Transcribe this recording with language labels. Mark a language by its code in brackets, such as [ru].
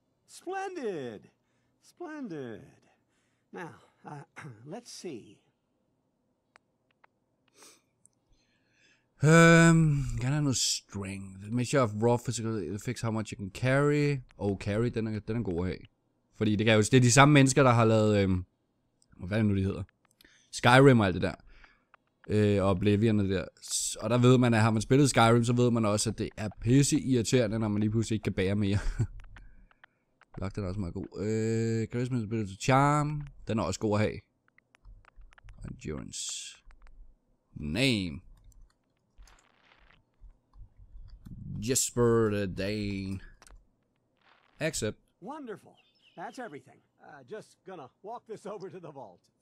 [en] Splendid. Splendid. Now, let's see. [da] Kan have noget string. [en] Measure of raw physical effects, how much you can carry. [da] Oh, carry, den er god at have. Fordi det, kan jo, det er de samme mennesker, der har lavet, hvad er det nu, de hedder? Skyrim og alt det der. Og Oblivion der. Og der ved man, at har man spillet Skyrim, så ved man også, at det er pisse irriterende, når man lige pludselig ikke kan bære mere. Lock, den er også meget god. [en] Charisma ability charm. [da] Den er også god at have. Endurance. Name. [en] JesperTheDane. Accept. Wonderful. That's everything. Just gonna walk this over to the vault.